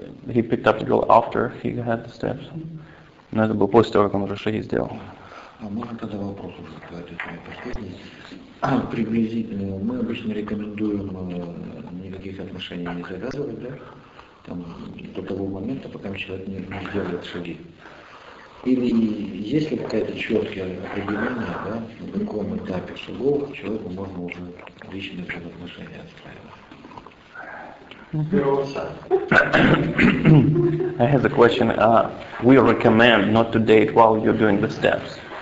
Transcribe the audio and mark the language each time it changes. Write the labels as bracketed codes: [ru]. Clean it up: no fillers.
[en] He picked up the girl after he had the steps. [ru] Но это было после того, как он уже шаги сделал. А можно тогда вопрос уже задать? Это мой последний. Приблизительно. Мы обычно рекомендуем никаких отношений не завязывать, да? Там, до того момента, пока человек не сделает шаги. Или есть ли какое-то четкое определение, да, на каком этапе шагов человеку можно уже личные отношения отстраивать? [en] I have a question. We recommend not to date while you're doing the steps.